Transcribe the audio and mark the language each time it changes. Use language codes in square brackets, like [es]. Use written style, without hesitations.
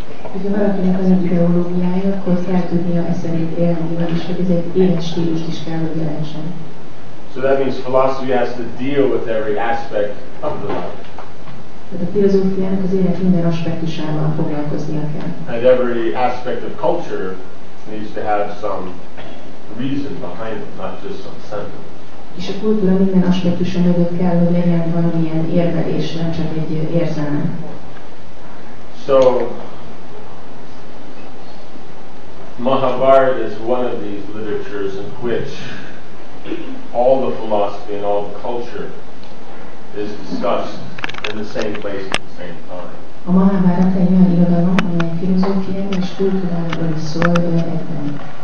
[hu] Hogyha valakinek van egy ideológiája, akkor kell tudnia e szerint élni, vagyis hogy ez egy életstílust is kell, hogy jelentsen. [en] So that means philosophy has to deal with every aspect of the life. [hu] Tehát a filozófiának az élet minden aspektusával foglalkoznia kell. [en] And every aspect of culture needs to have some reason behind it, not just some sentiment. [hu] És a kultúra minden aspektusa mögött kell, hogy legyen valamilyen érvelés, nem csak egy érzelme. [en] So, Mahabharata is one of these literatures in which all the philosophy and all the culture is discussed in the same place at the same time. [hu] A Mahabharata egy olyan irodalom, amely filozófiáról és kultúráról szól egyben.